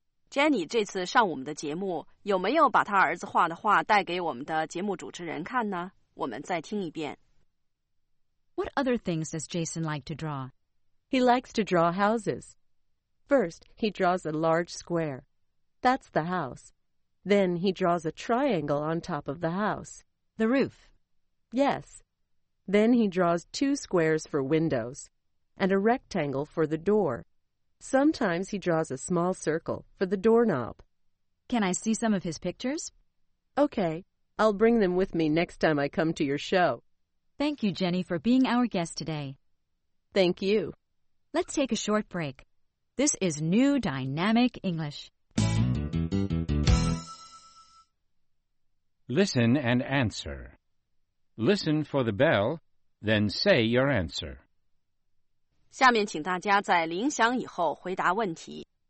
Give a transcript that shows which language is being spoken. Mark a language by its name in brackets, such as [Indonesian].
[Chinese] Jenny 这次上我们的节目，有没有把他儿子画的画带给我们的节目主持人看呢？我们再听一遍。 [English] What other things does Jason like to draw? He likes to draw houses. First, he draws a large square. That's the house. Then he draws a triangle on top of the house. The roof. Yes. Then he draws two squares for windows and a rectangle for the door. Sometimes he draws a small circle for the doorknob. Can I see some of his pictures? Okay, I'll bring them with me next time I come to your show. Thank you, Jenny, for being our guest today. Thank you. Let's take a short break. This is New Dynamic English. Listen and answer. Listen for the bell, then say your answer. [Chinese] 下面请大家在铃响以后回答问题。